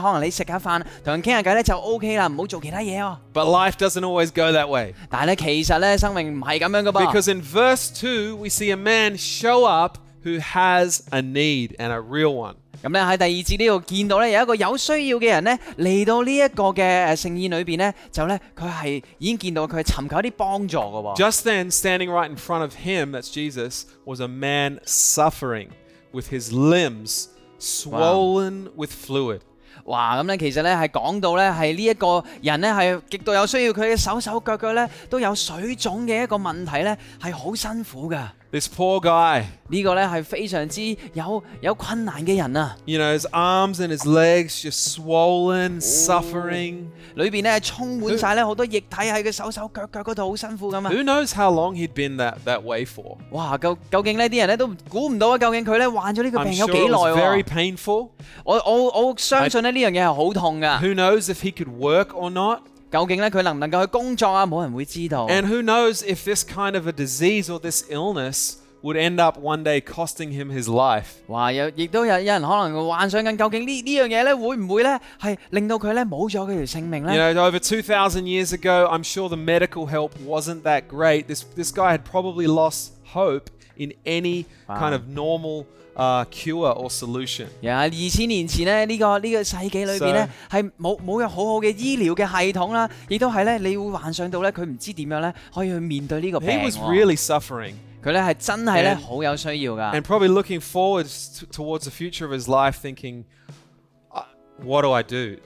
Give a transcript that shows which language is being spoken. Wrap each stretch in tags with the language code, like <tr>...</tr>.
<yue>可能你食下飯，同人傾下偈咧就 OK 啦，唔好做其他嘢哦。</yue> <en>But life doesn't always go that way.</en> <yue>但係咧，其實咧，生命唔係咁樣噶噃。</yue> <en>Because in verse 2, we see a man show up who has a need and a real one.</en> <yue>咁咧喺第二節呢度見到咧有一個有需要嘅人咧嚟到呢一個嘅聖宴裏邊咧，就咧佢係已經見到佢尋求一啲幫助嘅喎。</yue> <en>Just then, standing right in front of him, that's Jesus, was a man suffering with his limbs swollen with fluid.</en> <yue>哇！咁咧其實咧係講到咧係呢一個人咧係極度有需要，佢嘅手手腳腳咧都有水腫嘅一個問題咧，係好辛苦噶。</yue> <en>This poor guy.</en> <yue>呢個咧係非常之有困難嘅人啊。</yue> <en>You know, his arms and his legs just swollen, suffering.</en> <yue>裏邊咧充滿曬咧好多液體喺佢手手腳腳嗰度，好辛苦咁啊。</yue> <en>Who knows how long he'd been that way for?</en> <yue>哇！究竟咧啲人咧都估唔到啊，究竟佢咧患咗呢個病有幾耐喎？</yue> <en>I'm sure it was very painful.</en> <yue>我相信咧呢樣嘢係好痛噶。</yue> <en>Who knows if he could work or not?</en> <yue>究竟咧佢能唔能够去工作啊？冇人会知道。</yue> <en>And who knows if this kind of a disease or this illness would end up one day costing him his life？</en> <yue>哇，亦都有人可能幻想紧，究竟呢样嘢咧会唔会咧系令到佢咧冇咗佢条性命咧</yue> <en>？You know, over 2,000 years ago, I'm sure the medical help wasn't that great. This guy had probably lost hope in any kind of normal. Cure or solution.</en> <yue>Yeah,</yue> <en>2,000 years</en> <yue>前咧，呢个世纪里边咧，系冇有好好嘅医疗嘅系统啦，亦都系咧，你会幻想到咧，佢唔知点样咧，可以去面对呢个病。</yue> <en>He was really suffering.</en> <yue>佢咧系真系咧好有需要噶。</yue> <en>And probably looking forward towards the future of his life, thinking, "What do I do?"</en>